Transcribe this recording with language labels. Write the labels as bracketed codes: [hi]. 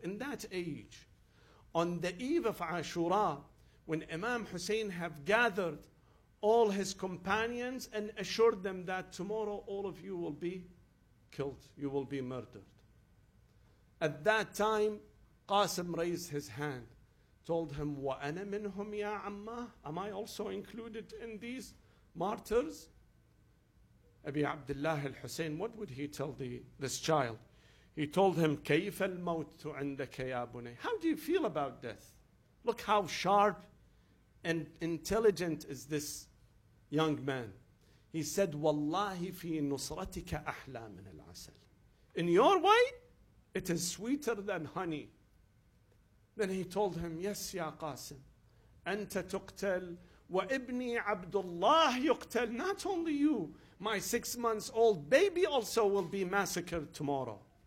[en] In that age, on the eve of Ashura, when Imam Hussein have gathered all his companions and assured them that tomorrow all of you will be killed, you will be murdered. At that time, Qasim raised his hand, told him, [ar] وَأَنَا مِنْهُمْ يَا عَمَّهُ. [en] Am I also included in these martyrs? Abi Abdullah al-Hussein, what would he tell this child? He told him, [ar] كَيْفَ الْمَوْتُ عِنْدَكَ يَا بُنَي. [en] How do you feel about death? Look how sharp and intelligent is this young man. He said, [ar] وَاللَّهِ فِي نُصْرَتِكَ أَحْلَى مِنَ الْعَسَلِ. [en] In your way, it is sweeter than honey. Then he told him, yes, ya Qasim, [ar] أَنْتَ تُقْتَلْ وَإِبْنِي عَبْدُ اللَّهِ يُقْتَلْ. [en] Not only you, my 6 months old baby also will be massacred tomorrow.